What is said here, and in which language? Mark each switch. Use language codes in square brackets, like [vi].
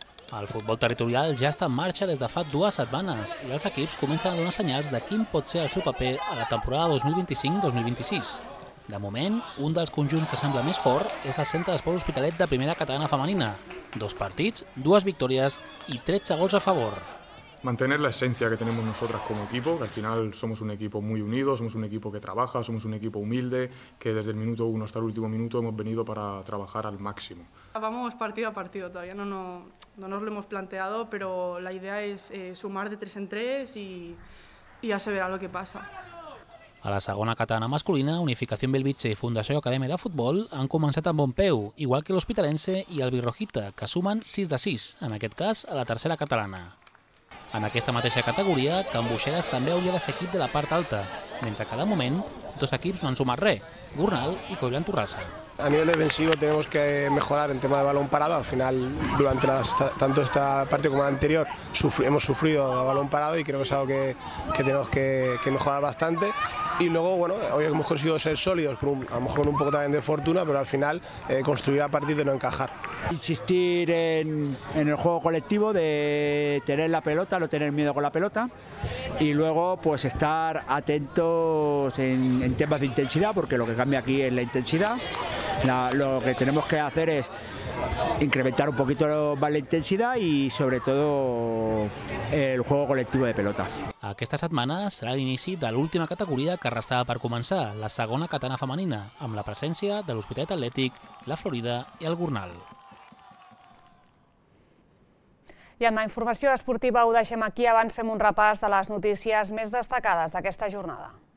[ca] El futbol territorial ja està en marxa des de fa dues setmanes i els equips comencen a donar senyals de quin pot ser el seu paper a la temporada 2025-2026. De moment, un dels conjunts que sembla més fort és el Centre d'Esports Hospitalet de Primera Catalana Femenina. Dos partits, dues victòries i 13 gols a favor. [es] Mantener la esencia que tenemos nosotras como equipo, que al final somos un equipo muy unido, somos un equipo que trabaja, somos un equipo humilde, que desde el minuto uno hasta el último minuto hemos venido para trabajar al máximo. Vamos partido a partido, todavía no nos lo hemos planteado, pero la idea es sumar de 3 en 3 y ya se verá lo que pasa. [ca] A la segona catalana masculina, Unificació Bellvitge i Fundació Acadèmia de Futbol han començat amb bon peu, igual que l'Hospitalense i el Virrojita, que sumen 6 de 6, en aquest cas a la tercera catalana. En aquesta mateixa categoria, Can Boixeres també hauria de ser equip de la part alta, mentre que de moment dos equips no han sumat res, Gornal i Coblan Torrassa. [es] A nivel defensivo tenemos que mejorar en tema de balón parado. Al final, durante tanto esta parte como la anterior, hemos sufrido a balón parado y creo que es algo que tenemos que mejorar bastante. Y luego, bueno, hoy hemos conseguido ser sólidos, a lo mejor un poco también de fortuna, pero al final construir a partir de no encajar. Insistir en el juego colectivo, de tener la pelota, no tener miedo con la pelota. Y luego, pues estar atentos en temas de intensidad, porque lo que cambia aquí es la intensidad. Lo que tenemos que hacer es incrementar un poquito más la intensidad y sobre todo el juego colectivo de pelota. [ca] Aquesta setmana serà l'inici de l'última categoria que restava per començar, la segona catalana femenina, amb la presència de l'Hospitalet Atlètic, la Florida i el Gornal. I amb la informació esportiva ho deixem aquí, abans fem un repàs de les notícies més destacades d'aquesta jornada.